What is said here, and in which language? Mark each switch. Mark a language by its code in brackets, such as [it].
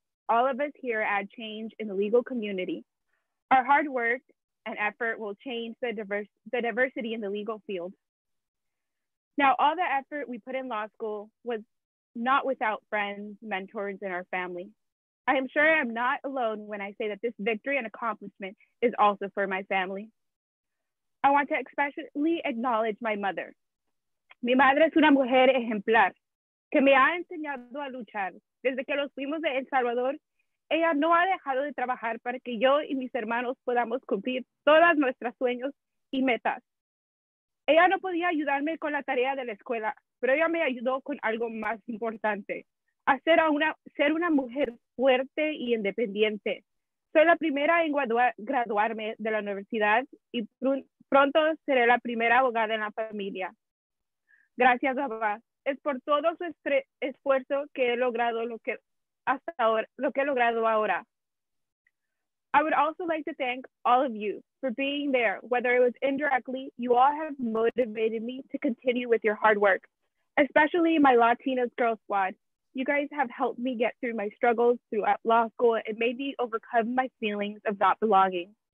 [en] All of us here add change in the legal community. Our hard work and effort will change the diversity in the legal field. Now, all the effort we put in law school was not without friends, mentors, and our family. I am sure I am not alone when I say that this victory and accomplishment is also for my family. I want to especially acknowledge my mother. [es] Mi madre es una mujer ejemplar que me ha enseñado a luchar. Desde que nos fuimos de El Salvador, ella no ha dejado de trabajar para que yo y mis hermanos podamos cumplir todas nuestras sueños y metas. Ella no podía ayudarme con la tarea de la escuela, pero ella me ayudó con algo más importante, ser una mujer fuerte y independiente. Soy la primera en graduarme de la universidad y pronto seré la primera abogada en la familia. Gracias, papá. Es por todo su esfuerzo que he logrado lo que he logrado ahora. [en] I would also like to thank all of you for being there. Whether it was indirectly, you all have motivated me to continue with your hard work, especially my Latinas Girl Squad. You guys have helped me get through my struggles throughout law school and made me overcome my feelings of not belonging.